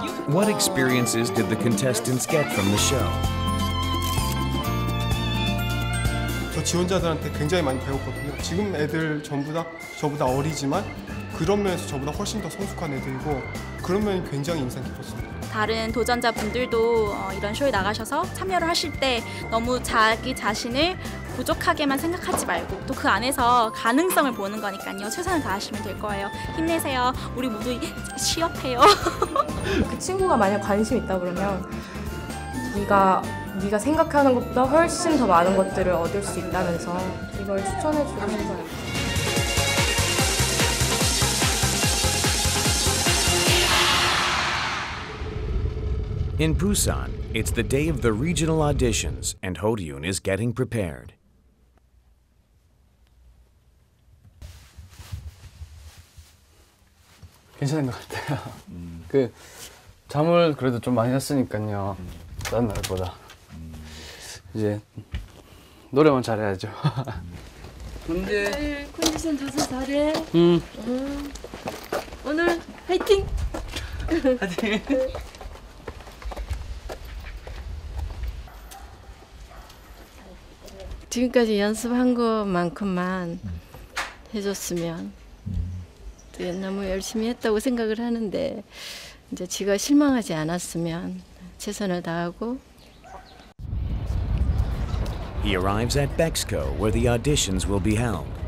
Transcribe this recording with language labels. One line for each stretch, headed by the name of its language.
English: What experiences did the contestants get from the show?
Korean: 저 지원자들한테 굉장히 많이 배웠거든요. 지금 애들 전부 다 저보다 어리지만 그런 면에서 저보다 훨씬 더 성숙한 애들이고 그런 면이 굉장히 인상 깊었습니다. 다른 도전자분들도 이런 쇼에 나가셔서 참여를 하실 때 너무 자기 자신을 부족하게만 생각하지 말고 또 그 안에서 가능성을 보는 거니까요. 최선을 다하시면 될 거예요. 힘내세요. 우리 모두 취업해요. 그 친구가 만약 관심 있다 그러면 네가 생각하는 것보다 훨씬 더 많은 것들을 얻을 수 있다면서 이걸 추천해 주시는 거예요.
English: In Busan, it's the day of the regional auditions, and Hodeun is getting prepared. It's okay. I think it's okay. think it's okay. I think it's okay.
Korean: 지금까지 연습한 것만큼만 해줬으면 너무 열심히 했다고 생각을 하는데 이제 지가 실망하지 않았으면 최선을 다하고
English: He arrives at Bexco where the auditions will be held.